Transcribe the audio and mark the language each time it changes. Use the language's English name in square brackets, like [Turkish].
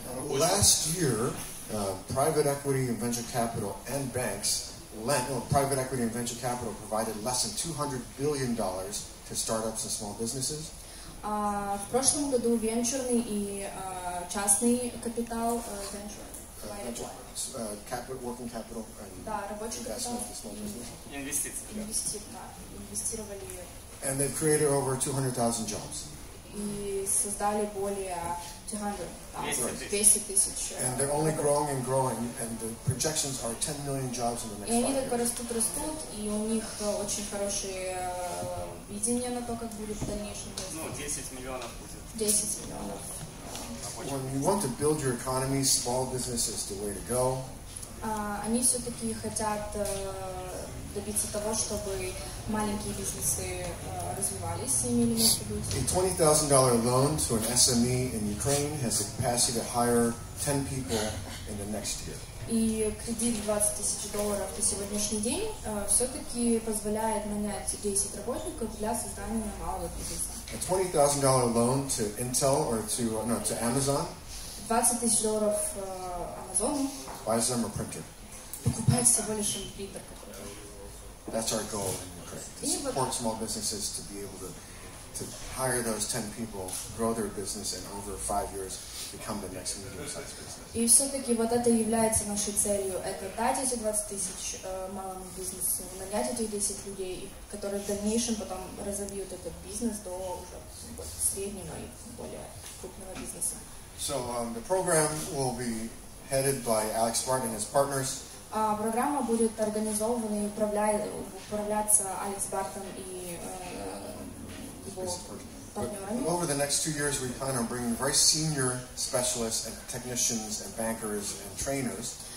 [English] Last year, private equity and venture capital and banks lent. Well, private equity and venture capital provided less than $200 billion to startups and small businesses. [Russian] В прошлом году венчурный и частный капитал, инвестировали. [English] And they've created over 200,000 jobs. [Russian] И создали более 200 тысяч. [English] And they're only growing and growing, and the projections are 10 million jobs in the next 5 years. [Russian] И они только растут, и у них очень хорошие видения на то, как будет в дальнейшем. Ну, 10 миллионов будет. 10 миллионов. [English] When you want to build your economy, small business is the way to go. [Russian] Они все-таки хотят добиться того, чтобы маленькие бизнесы развивались и имели место быть. [English] A $20,000 loan to an SME in Ukraine has the capacity to hire 10 people in the next year. [Russian] И кредит $20,000 на сегодняшний день все-таки позволяет нанять 10 работников для создания малого бизнеса. [English] A $20,000 loan to Intel or to no to Amazon. [Russian] $20,000 Amazon. [English] Buys them a printer. [Russian] Покупает всего лишь им принтер. [English] That's our goal in Ukraine. To support small businesses to be able to hire those 10 people, grow their business, and over 5 years become the next medium-sized business. [Russian] И все-таки вот это является нашей целью. Это дать эти 20 тысяч малому бизнесу, нанять этих 10 людей, которые в дальнейшем потом разобьют этот бизнес до уже среднего и более крупного бизнеса. [English] So the program will be headed by Alex Martin and his partners. [Russian] Программа будет организована и управляться Алекс Бартон и его. [English] Over the next 2 years, we plan on bringing very senior specialists and technicians and bankers and trainers.